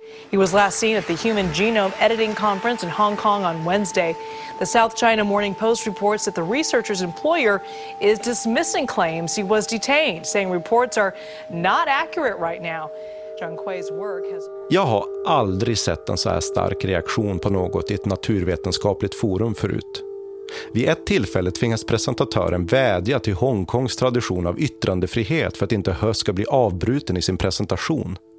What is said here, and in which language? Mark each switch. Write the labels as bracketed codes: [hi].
[en] He was last seen at the Human Genome Editing Conference in Hong Kong on Wednesday. The South China Morning Post reports that the researcher's employer is dismissing claims he was detained, saying reports are not accurate right now. Jiankui's work has... [sv] Jag har aldrig sett en så här stark reaktion på något i ett naturvetenskapligt forum förut. Vid ett tillfälle tvingas presentatören vädja till Hongkongs tradition av yttrandefrihet för att inte He ska bli avbruten i sin presentation.